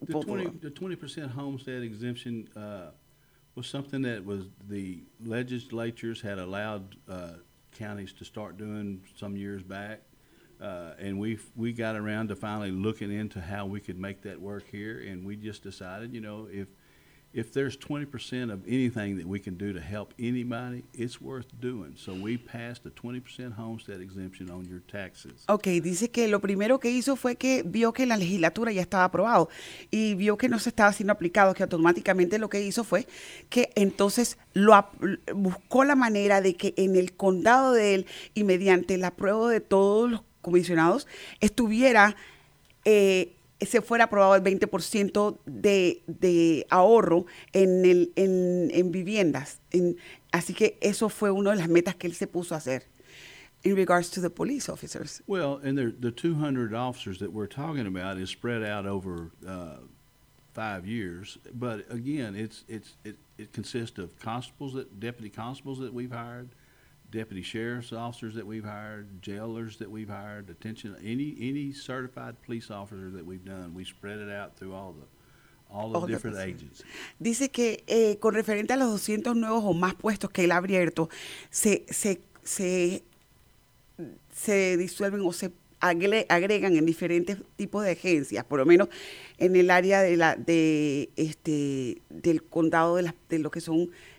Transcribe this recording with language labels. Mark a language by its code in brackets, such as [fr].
[en] The 20% homestead exemption was something that was the legislatures had allowed counties to start doing some years back. And we got around to finally looking into how we could make that work here. And we just decided, you know, if there's 20% of anything that we can do to help anybody, it's worth doing. So we passed a 20% homestead exemption on your taxes. [es] Okay, dice que lo primero que hizo fue que vio que la legislatura ya estaba aprobado y vio que no se estaba siendo aplicado, que automáticamente lo que hizo fue que entonces buscó la manera de que en el condado de él y mediante la prueba de todos los comisionados estuviera... se fuera aprobado el 20% de ahorro en viviendas. Así que eso fue una de las metas que él se puso a hacer. [en] in regards to the police officers. Well, and the 200 officers that we're talking about is spread out over 5 years. But again, it consists of deputy constables that we've hired, deputy sheriff's officers that we've hired, jailers that we've hired, any certified police officer that we've done, we spread it out through all the different agencies. [es] Dice que con referente a los 200 nuevos o más puestos que él ha abierto, se disuelven o se agregan en diferentes tipos de agencias, por lo menos en el área del condado de lo que son